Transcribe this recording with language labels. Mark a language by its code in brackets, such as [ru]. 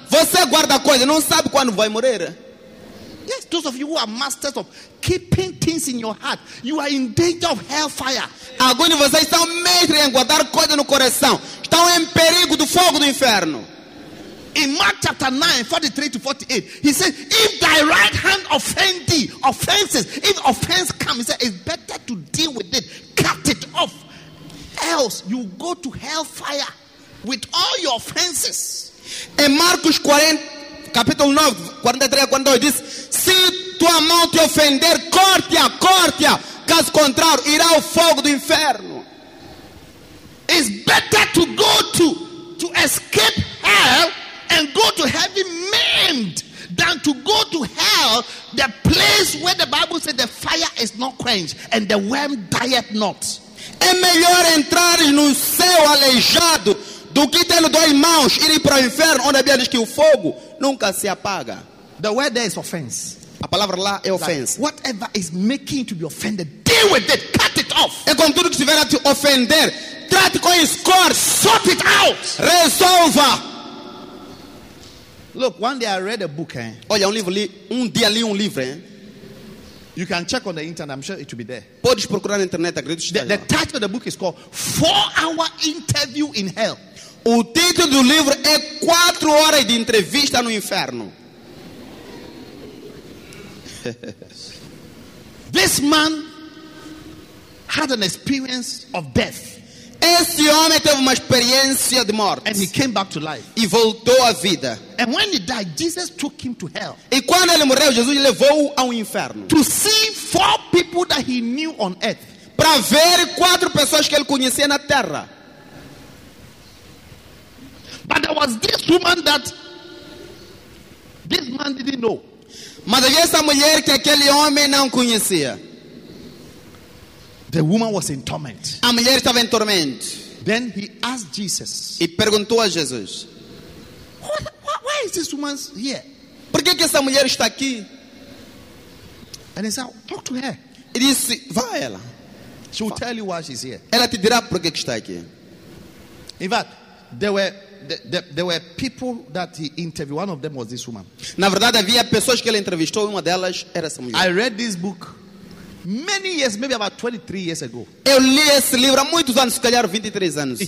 [pt] Você guarda coisas, não sabe quando vai morrer. [en] Yes, those of you who are masters of keeping things in your heart, you are in danger of hellfire. [pt] Alguns de vocês estão mestres em guardar coisas no coração. Estão em perigo do fogo do inferno. [en] In Mark chapter 9, 43 to 48, he said, if thy right hand offend thee, offenses, if offense come, he said, it's better to deal with it, cut it off, else you go to hellfire with all your offenses. [pt] Em Marcos 40, capítulo 9, 43 a 42, diz, se tua mão te ofender, corte-a, caso contrário, irá ao fogo do inferno. [en] It's better to go to escape hell, and go to heaven maimed than to go to hell, the place where the Bible said the fire is not quenched and the worm dieth not. [pt] É melhor entrar no céu aleijado do que tendo dois mãos ir para o inferno onde a Bíblia diz que o fogo nunca se apaga. [en] The word there is offense. [pt] A palavra lá é offense. [en] Like whatever is making you to be offended, deal with it, cut it off. [pt] É com tudo que estiver a te ofender, trate com isso, corte, [en] sort it out, [pt] resolva. [en] Look, one day I read a book, eh? [pt] Olha, um dia li um livro, eh? [en] You can check on the internet, I'm sure it will be there. [pt] Podes procurar na internet, acredito. [en] The title of the book is called 4-Hour Interview in Hell. [pt] O título do livro é 4 horas de entrevista no inferno. [en] This man had an experience of death. [pt] Esse homem teve uma experiência de morte. [en] And he came back to life. [pt] E voltou à vida. [en] And when he died, Jesus took him to hell. [pt] E quando ele morreu, Jesus levou ao inferno. [en] To see 4 people that he knew on earth. [pt] Para ver 4 pessoas que ele conhecia na terra. [en] But there was this woman that this man didn't know. [pt] Mas havia essa mulher que aquele homem não conhecia. [en] The woman was in torment. [pt] A mulher estava em tormento. [en] Then he asked Jesus. [pt] E perguntou a Jesus. [en] Why is this woman here? [pt] Por que essa mulher está aqui? [en] And he said, talk to her. [pt] E disse, vá a ela. [en] She will tell you why she's here. [pt] Ela te dirá por que está aqui. [en] In fact, there were people that he interviewed. One of them was this woman. [pt] Na verdade, havia pessoas que ele entrevistou. Uma delas era essa mulher. [en] I read this book many years, maybe about 23 years ago. [pt] Eu li esse livro há muitos anos, se calhar 23 anos.